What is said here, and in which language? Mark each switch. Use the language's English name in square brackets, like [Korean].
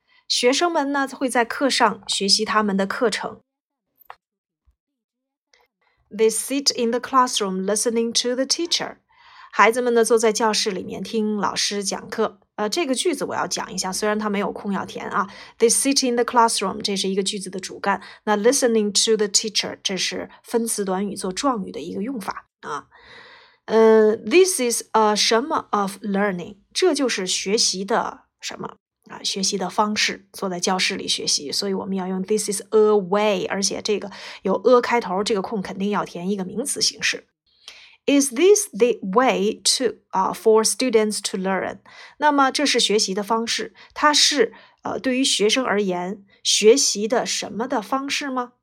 [Chinese] 学生们呢会在课上学习他们的课程。 [English] They sit in the classroom listening to the teacher. [Chinese] 孩子们呢坐在教室里面听老师讲课。这个句子我要讲一下，虽然它没有空要填啊。 [English] They sit in the classroom, [Chinese] 这是一个句子的主干。那 [English] listening to the teacher, [Chinese] 这是分词短语做状语的一个用法啊。 [English] This is a [Chinese] 什么 [English] of learning, [Chinese] 这就是学习的什么啊，学习的方式，坐在教室里学习，所以我们要用 [English] this is a way, [Chinese] 而且这个有 a 开头，这个空肯定要填一个名词形式。 [English] Is this the way to, for students to learn? [Chinese] 那么这是学习的方式，它是对于学生而言，学习的什么的方式吗？